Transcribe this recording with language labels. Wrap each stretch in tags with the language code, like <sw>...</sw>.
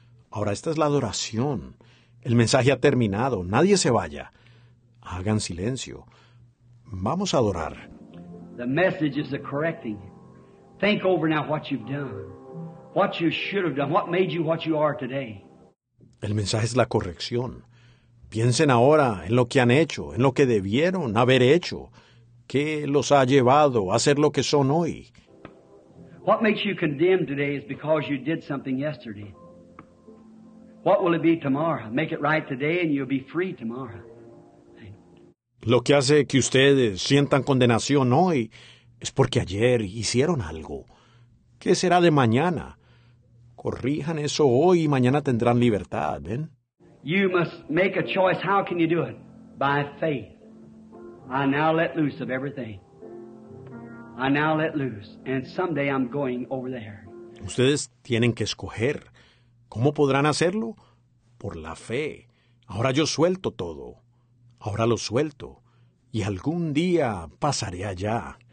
<es>Ahora, esta es la adoración. El mensaje ha terminado. Nadie se vaya. Hagan silencio. Vamos a adorar.</es> <en>The message is the correcting. Think over now what you've done. What you should have done. What made you what you are today.</en> <es>El mensaje es la corrección. Piensen ahora en lo que han hecho, en lo que debieron haber hecho. ¿Qué los ha llevado a ser lo que son hoy?</es> <en>What makes you condemned today is because you did something yesterday. What will it be tomorrow? Make it right today and you'll be free tomorrow.</en> <es>Lo que hace que ustedes sientan condenación hoy es porque ayer hicieron algo. ¿Qué será de mañana? Corrijan eso hoy y mañana tendrán libertad, ¿ven?</es> <en>You must make a choice. How can you do it? By faith. I now let loose of everything. I now let loose. And someday I'm going over there.</en> <es>Ustedes tienen que escoger. ¿Cómo podrán hacerlo? Por la fe. Ahora yo suelto todo. Ahora lo suelto. Y algún día pasaré allá.</es>